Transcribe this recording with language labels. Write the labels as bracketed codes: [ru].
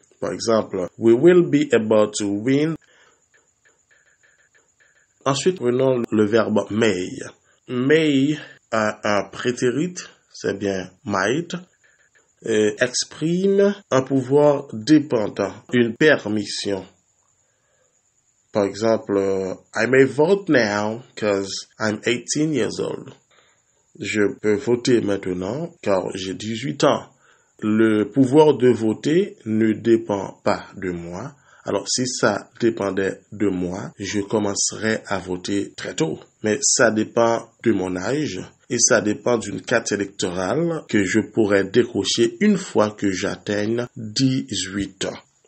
[fr] Par exemple, [en] we will be able to win. [fr] Ensuite, prenons le verbe may. May a un prétérit, c'est bien might, exprime un pouvoir dépendant, une permission. Par exemple, [en] I may vote now because I'm 18 years old. [fr] Je peux voter maintenant car j'ai 18 ans. Le pouvoir de voter ne dépend pas de moi. Alors, si ça dépendait de moi, je commencerais à voter très tôt. Mais ça dépend de mon âge et ça dépend d'une carte électorale que je pourrais décrocher une fois que j'atteigne 18 ans.